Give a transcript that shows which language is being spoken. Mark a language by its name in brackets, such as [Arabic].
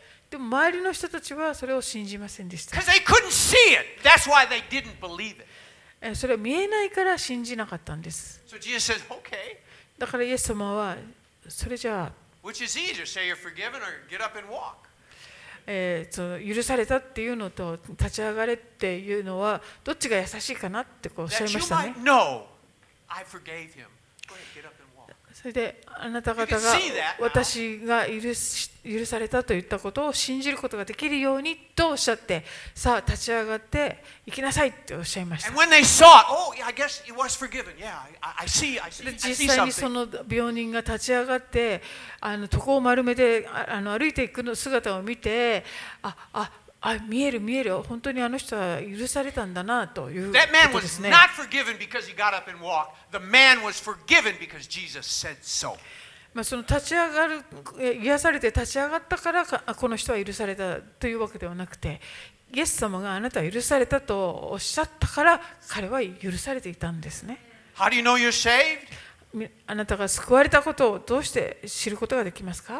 [Japanese] でも周りの人たちはそれを信じませんでした。 [English] Because they couldn't see it. That's why they didn't believe it. [Japanese] それは見えないから信じなかったんです。 [English] So Jesus says, okay. [Japanese] だからイエス様はそれじゃあ、 [English] Which is easier, say you're forgiven or get up and walk. [Japanese] 許されたっていうのと立ち上がれっていうのはどっちが優しいかなってこうおっしゃいましたね。 [English] That you might know, I forgave him. Go ahead, get up and walk. [Japanese] それであなた方が私が許されたと言ったことを信じることができるようにとおっしゃって、さあ立ち上がって行きなさいっておっしゃいました。 [English] And when they saw it, oh, yeah, I guess it was forgiven. Yeah, I see, I see, I see something. [Japanese] 実際にその病人が立ち上がって、床を丸めて歩いていくの姿を見て、見える見える、本当にあの人は許されたんだなということですね。 [English] That man was not forgiven because he got up and walked. The man was forgiven because Jesus said so. [Japanese] まあ、その立ち上がる、癒されて立ち上がったからかこの人は許されたというわけではなくて、イエス様があなたは許されたとおっしゃったから彼は許されていたんですね。 [English] How do you know you're saved? [Japanese] あなたが救われたことをどうして知ることができますか？